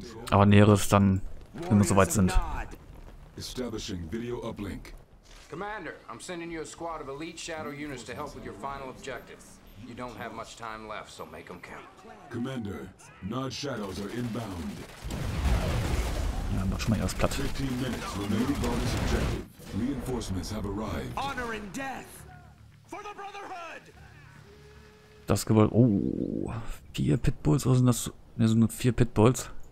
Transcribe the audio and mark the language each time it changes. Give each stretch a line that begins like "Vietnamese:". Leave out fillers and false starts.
German: Aber Näheres dann, wenn wir soweit sind.
English: Establishing video uplink. Commander, I'm sending you a squad of elite shadow units to help with your final objective. You don't have much time left, so make them count. Commander, Nod Shadows are inbound.
German: Ja, mach schon mal erst platt.
English: 15 minutes remaining bonus objective. Reinforcements have arrived. Honor and death for the Brotherhood!
German: Das Gebäude. Oh, vier Pitbulls, oder sind das so? Ne, sind nur vier Pitbulls.